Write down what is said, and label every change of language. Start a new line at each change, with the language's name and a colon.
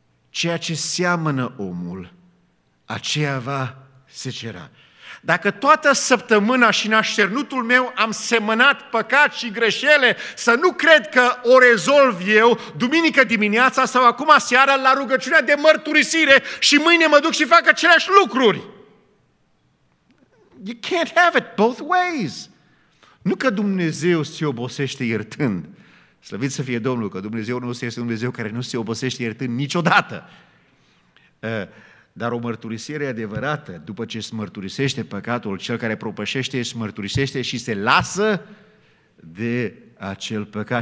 Romanian: Ceea ce seamănă omul, aceea va secera. Dacă toată săptămâna și în așternutul meu am semănat păcat și greșele, să nu cred că o rezolv eu duminică dimineața sau acum seara la rugăciunea de mărturisire și mâine mă duc și fac aceleași lucruri.
English: You can't have it both ways.
Romanian: Nu că Dumnezeu se obosește iertând. Slăvit să fie Domnul, că Dumnezeu nostru este Dumnezeu care nu se obosește iertând niciodată. Dar o mărturisire adevărată, după ce îți mărturisește păcatul, cel care propășește își mărturisește și se lasă de acel păcat.